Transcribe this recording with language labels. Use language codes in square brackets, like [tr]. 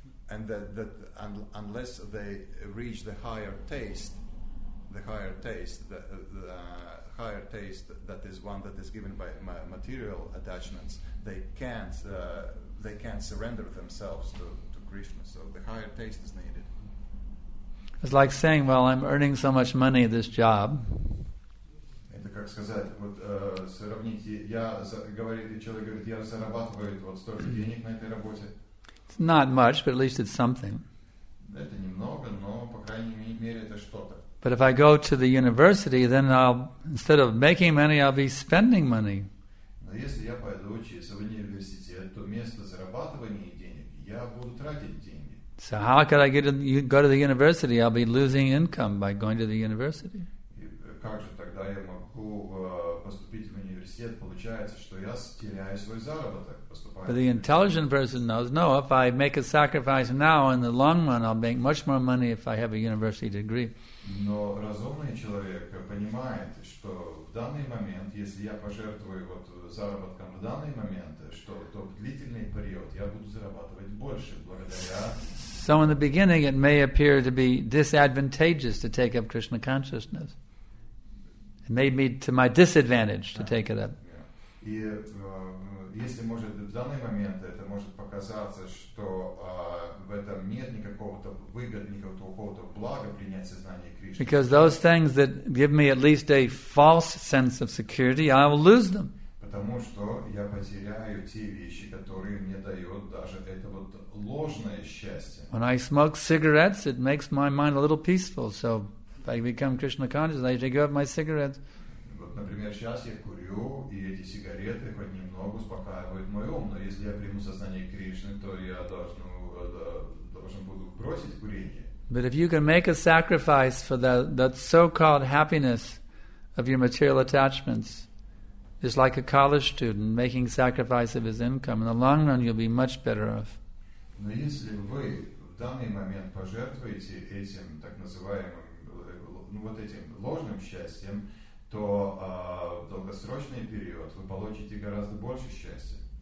[en] And that unless they reach the higher taste, the higher taste that is one that is given by material attachments, they can't surrender themselves to Krishna. So the higher taste is needed. It's like saying, "Well, I'm earning so much money at this job." [ru] Это как сказать, вот сравните, я говорит, человек говорит, я зарабатываю вот столько денег на этой работе. [en] It's not much, but at least it's something. [ru] Это немного, но по крайней мере это что-то. [en] But if I go to the university, then I'll instead of making money, I'll be spending money. [ru] Но если я пойду учиться в университет, то вместо зарабатывания денег я буду тратить деньги. [en] So how could I go to the university? I'll be losing income by going to the university. [ru] Как же тогда я могу поступить в университет? Получается, что я теряю свой заработок, поступая. [en] But the intelligent person knows, no, if I make a sacrifice now, in the long run, I'll make much more money if I have a university degree. [ru] Но разумный человек понимает, что в данный момент, если я пожертвую вот заработком в данный момент, что то в длительный период я буду зарабатывать больше благодаря. [en] So in the beginning, it may appear to be disadvantageous to take up Krishna consciousness. It may be to my disadvantage to take it up. [ru] И если может в данный момент это может показаться, что в этом нет никакого-то выгоды, никакого-то блага принять сознание Кришны. [en] Because those things that give me at least a false sense of security, I will lose them. [ru] Потому что я потеряю те вещи, которые мне дают даже это вот ложное счастье. [en] When I smoke cigarettes, it makes my mind a little peaceful, so. I become Krishna conscious, I take off my cigarettes. [ru] Вот, например, сейчас я курю, и эти сигареты хоть немного успокаивают мой ум, но если я приму сознание Кришны, то я должен буду бросить курение. [en] But if you can make a sacrifice for that so-called happiness of your material attachments, it's like a college student making sacrifice of his income, in the long run you'll be much better off. [ru] Но если вы в данный момент пожертвуете этим так называемым вот этим ложным счастьем, то в долгосрочный период вы получите гораздо больше счастья.